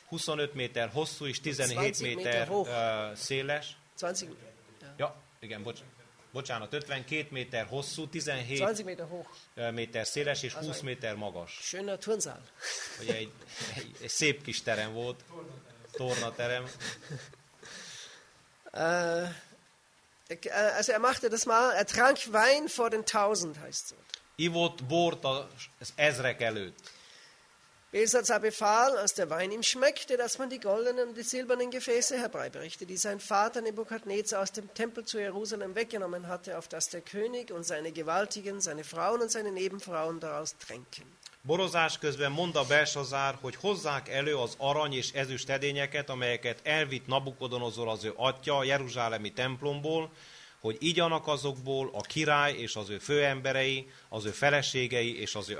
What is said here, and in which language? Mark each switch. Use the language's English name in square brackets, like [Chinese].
[Hungarian] 25 méter hosszú és 17 méter széles. 20. Ja, igen, bocsánat, 52 méter hosszú, 17 20 méter, [German] hoch. [Hungarian] Méter széles és 20 méter magas. [German] Schöner Turnsaal. [Hungarian] Ugye egy szép kis terem volt. Tornaterem. [German] Also er machte das mal, er trank Wein vor den Tausend, heißt so. [Hungarian] Ivott bort az ezrek előtt. [German] Belsazar befahl, als der Wein ihm schmeckte, dass man die goldenen und die silbernen Gefäße herbeiberichte, die sein Vater Nebukadnezar aus dem Tempel zu Jerusalem weggenommen hatte, auf das der König und seine Gewaltigen, seine Frauen und seine Nebenfrauen daraus tränken. [Hungarian] Borozás közben mondta Belsazár, hogy hozzák elő az arany és ezüst edényeket, amelyeket elvitt Nabukodonozor az ő atya a jeruzsálemi templomból, hogy igyanak azokból a király és az ő főemberei, az ő feleségei és az ő